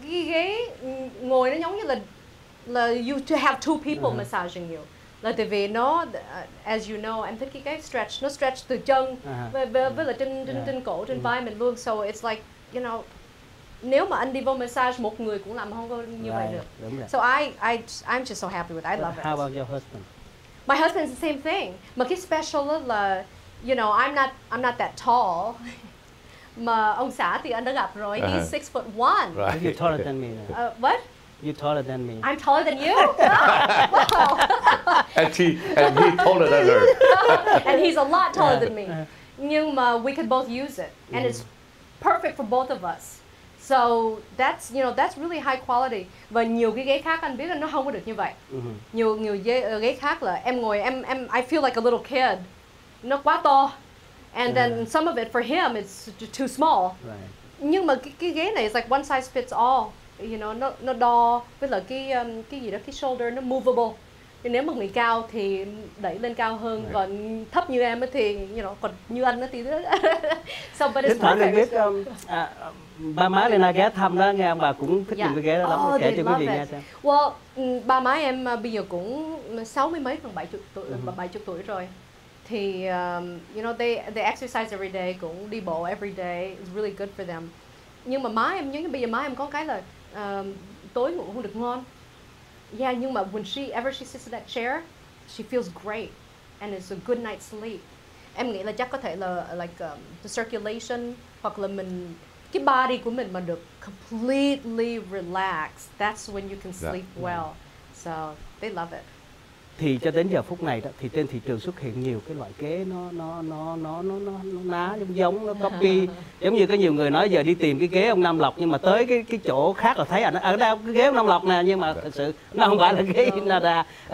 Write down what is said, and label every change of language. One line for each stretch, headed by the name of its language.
Vietnamese: Cái ghế ngồi nó giống như là
English: you to have two people massaging you.
Vietnamese: Là tại vì nó,
English: as you know,
Vietnamese: em thích cái stretch, nó stretch từ chân với là trên cổ, trên vai mình luôn.
English: So it's like, you know,
Vietnamese: nếu mà anh đi vô massage một người cũng làm không có như vậy được.
English: So I'm just so happy with it. I love it. How about your husband? My husband's the same thing.
Vietnamese: Mà cái special là,
English: you know, I'm not that tall.
Vietnamese: Mà ông xã thì anh đã gặp rồi.
English: He's 6'1". Right. You're taller than me. What? You're taller than me. I'm taller than you. and he taller than her. And he's a lot taller than me.
Vietnamese: Nhưng mà
English: we could both use it, and it's perfect for both of us. So that's, you know, that's really high quality.
Vietnamese: Và nhiều cái ghế khác anh biết là nó không có được như vậy. Nhiều ghế khác là em ngồi em
English: I feel like a little kid.
Vietnamese: Nó quá to.
English: And then some of it for him it's too small. Right.
Vietnamese: Nhưng mà cái ghế này
English: is like one size fits all. You know,
Vietnamese: nó đo với là cái gì đó, cái shoulder nó movable. Nhưng nếu mà người cao thì đẩy lên cao hơn, right. Còn thấp như em thì
English: you know,
Vietnamese: còn như anh thì
English: so but it's
Vietnamese: thế perfect. Biết, ba má Lena ghé thăm đó nghe ông bà cũng thích dùng cái ghế đó lắm, kể cho quý vị nghe xem. Well, ba má em bây giờ cũng 60 mấy còn 70 tuổi, 70 tuổi rồi.
English: Thì, you know, they exercise every day,
Vietnamese: cũng đi bộ
English: every day, it's really good for them.
Vietnamese: Nhưng mà má em, nhưng bây giờ má em có cái là tối ngủ không được ngon.
English: Yeah,
Vietnamese: nhưng mà
English: whenever she sits in that chair, she feels great, and it's a good night's sleep.
Vietnamese: Em nghĩ là chắc có thể là, like, the circulation, hoặc là mình, cái body của mình mà được
English: completely relaxed, that's when you can sleep well. So, they love it.
Vietnamese: Thì cho đến giờ phút này đó thì trên thị trường xuất hiện nhiều cái loại ghế nó ná giống nó copy, giống như có nhiều người nói giờ đi tìm cái ghế ông Nam Lộc nhưng mà tới cái chỗ khác là thấy là ở đây cái ghế ông Nam Lộc nè, nhưng mà thật sự nó không phải là ghế Inada.